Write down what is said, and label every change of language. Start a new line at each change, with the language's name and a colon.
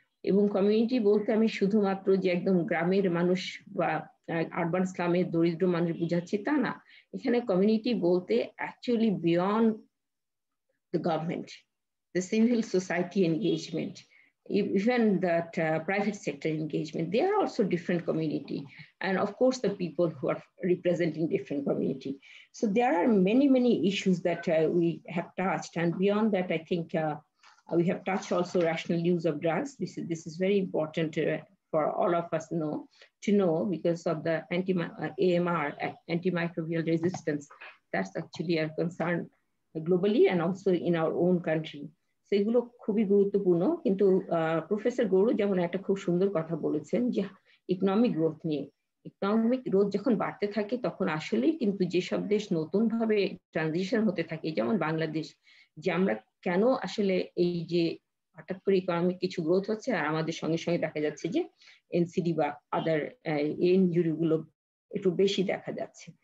Bangla: এবং কমিউনিটি বলতে আমি শুধুমাত্র যে একদম গ্রামের মানুষ বা আরবান স্লামের দরিদ্র মানুষ বুঝাচ্ছি তা না, এখানে কমিউনিটি বলতে
English: Actually beyond the government, the civil society engagement, even that private sector engagement, they are also different community, and of course the people who are representing different community. So they are many many issues that we have touched, and beyond that I think we have touched also rational use of drugs. This is very important for all of us to know because of the AMR, antimicrobial resistance. That's actually a concern globally and also in our own country.
Bangla: So এগুলো খুবই গুরুত্বপূর্ণ। কিন্তু professor Gour যেমন একটা খুব সুন্দর কথা বলেছেন যে ইকোনমিক গ্রোথ নিয়ে, ইকোনমিক গ্রোথ যখন বাড়তে থাকে তখন আসলেই কিন্তু যেসব দেশ নতুন ভাবে ট্রানজিশন হতে থাকে, যেমন বাংলাদেশ, যে আমরা কেন আসলে এই যে হঠাৎ করে ইকোনমিক কিছু গ্রোথ হচ্ছে আর আমাদের সঙ্গে সঙ্গে দেখা যাচ্ছে যে এনসিডি বা আদার এনজিওর গুলো একটু বেশি দেখা যাচ্ছে।